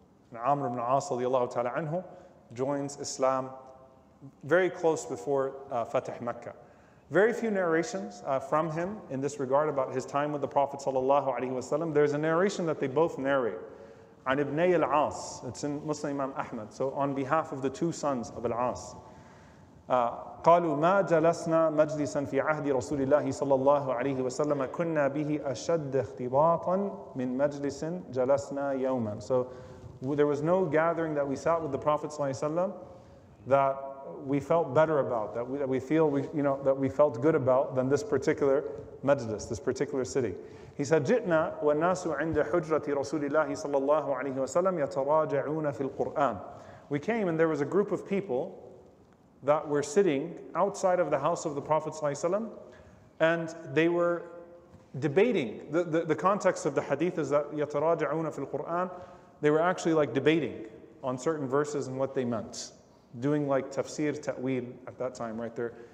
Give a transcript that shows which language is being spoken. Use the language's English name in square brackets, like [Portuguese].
[English] And Amr ibn As, radiallahu ta'ala anhu, joins Islam very close before Fatih Mecca. Very few narrations from him in this regard about his time with the Prophet sallallahu alayhi wa sallam. There's a narration that they both narrate. An ibn al-As, it's in Muslim Imam Ahmad. So on behalf of the two sons of al-As. [Arabic] قالوا ما جلسنا مجلسا في عهد رسول الله صلى الله عليه وسلم كنا به أشد اختباطا من مجلس جلسنا يوما. [English] So there was no gathering that we sat with the Prophet [Arabic] صلى الله عليه وسلم [English] that we felt better about, that we felt good about than this particular majlis, this particular city. He said, [Arabic] جئنا والناس عند حجرة رسول الله صلى الله عليه وسلم يتراجعون في القرآن. [English] We came and there was a group of people that were sitting outside of the house of the Prophet ﷺ, and they were debating. The context of the hadith is that [Arabic] يَتَرَاجَعُونَ فِي الْقُرْآنِ [English] they were actually like debating on certain verses and what they meant, doing like tafsir, ta'wil at that time, right? They're